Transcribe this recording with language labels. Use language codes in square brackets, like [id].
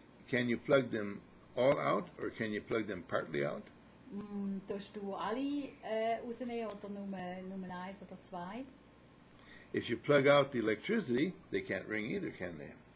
[en] Can you plug them all out, or can you plug them partly out? [de] Tust du alle rausnehmen, oder nur eins oder zwei? [en] If you plug out the electricity, they can't ring either, can they?